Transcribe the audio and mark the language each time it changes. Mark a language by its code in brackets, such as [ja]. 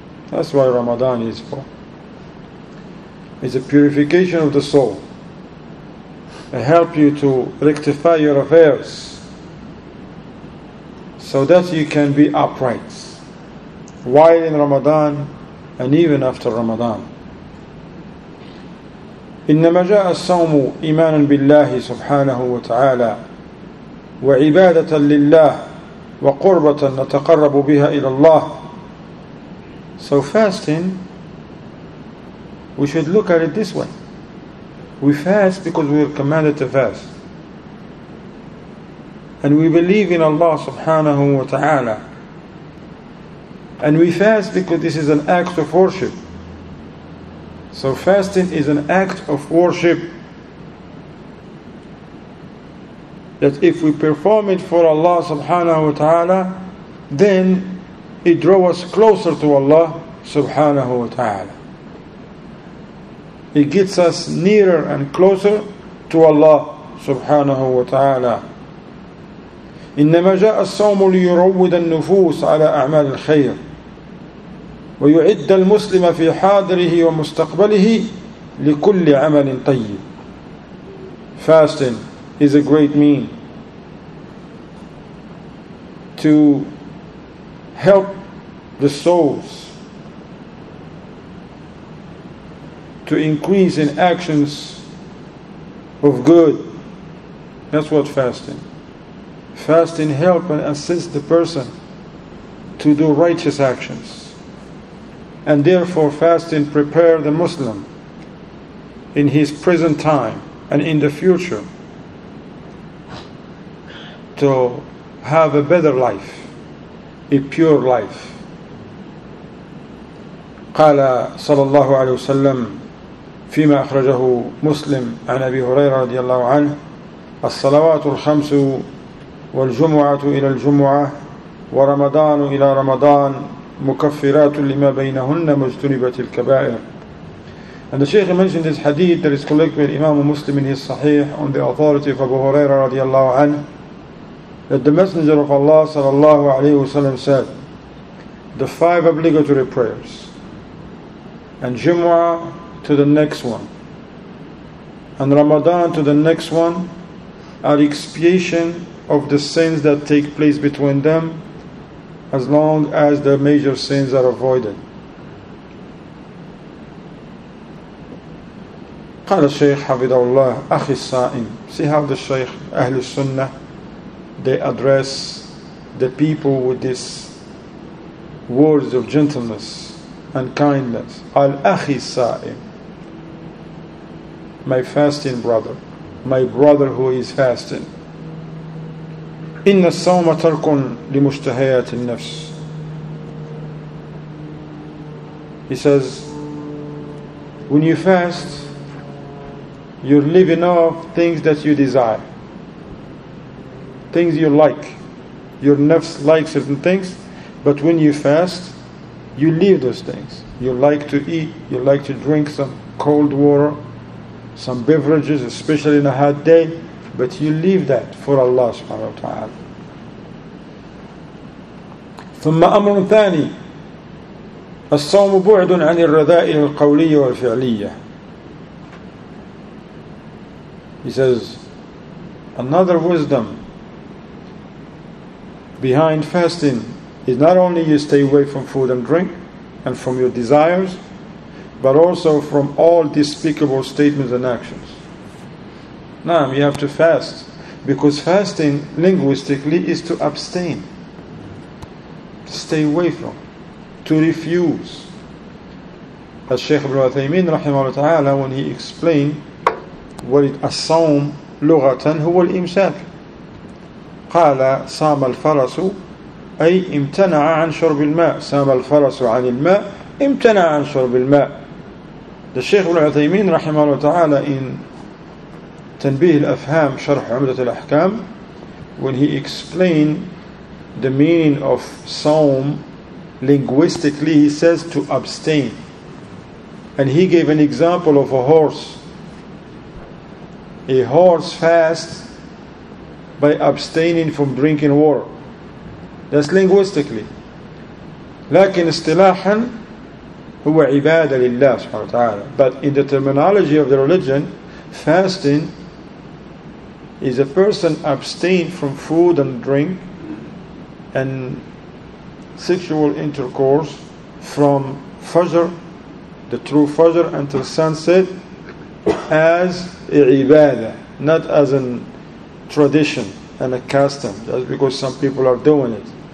[en] That's why Ramadan is for. It's a purification of the soul. It helps you to rectify your affairs so that you can be upright while in Ramadan and even after Ramadan. [ar] إنما جاء الصوم إيمانا بالله سبحانه وتعالى وعبادة لله وقربة نتقرب بها إلى الله. [en] So fasting, we should look at it this way. We fast because we are commanded to fast. And we believe in Allah subhanahu wa ta'ala. And we fast because this is an act of worship. So fasting is an act of worship. That if we perform it for Allah subhanahu wa ta'ala, then it draws us closer to Allah subhanahu wa ta'ala. It gets us nearer and closer to Allah subhanahu wa ta'ala. [ar] إنما جاء الصوم ليروّد النفوس على أعمال الخير ويعد المسلم في حاضره ومستقبله لكل عمل طيب. [en] Fasting is a great mean to help the souls to increase in actions of good. That's what fasting. Fasting help and assist the person to do righteous actions. And therefore fasting prepare the Muslim in his present time and in the future to have a better life, a pure life. [ar] قال صلى الله عليه وسلم فيما أخرجه مسلم عن أبي هريرة رضي الله عنه الصلوات الخمس والجمعة إلى الجمعة ورمضان إلى رمضان مكفرات لما بينهن مجتنبة الكبائر. [en] And the Shaykh mentioned this hadith that is collected by Imam Muslim in his Sahih on the authority of Abu Huraira رضي الله عنه, that the Messenger of Allah صلى الله عليه وسلم said, the five obligatory prayers and Jumu'ah to the next one and Ramadan to the next one are expiation of the sins that take place between them as long as the major sins are avoided. [ar] قال الشيخ حفظه الله أخي الصائم. [en] See how the Shaykh أهل السنة they address the people with these words of gentleness and kindness. Al [ar] أخي الصائم, [en] my fasting brother, my brother who is fasting. [ar] إِنَّ الصَّوْمَ تَرْكٌ لِمُشْتَهَيَاتِ النَّفْسِ. [en] He says, when you fast, you're living off things that you desire, things you like. Your nafs like certain things, but when you fast, you leave those things. You like to eat, you like to drink some cold water, some beverages, especially in a hot day, but you leave that for Allah subhanahu wa ta'ala. [ar] ثم أمر ثاني الصوم بعد عن الرذائل القولية والفعلية. [en] He says, another wisdom behind fasting is not only you stay away from food and drink and from your desires, but also from all despicable statements and actions. Now you have to fast, because fasting linguistically is to abstain, stay away from, to refuse. As Shaykh Ibn Uthaymeen rahimahullah ta'ala, when he explained what it [ar] as-sawm lughatan huwa al-imsak, قال صام الفرس أي امتنع عن شرب الماء. صام الفرس عن الماء امتنع عن شرب الماء. [en] The Shaykh Ibn Uthaymeen رحمه الله تعالى in تنبيه الأفهام شرح عمدة الأحكام, when he explained the meaning of صوم linguistically, he says to abstain, and he gave an example of a horse. A horse fasts by abstaining from drinking water. That's linguistically. [ar] لكن اصطلاحا هو عبادة لله سبحانه وتعالى. [en] But in the terminology of the religion, fasting is a person abstain from food and drink and sexual intercourse from Fajr, the true Fajr, until sunset, as a ibadah, not as an tradition and a custom, just because some people are doing it.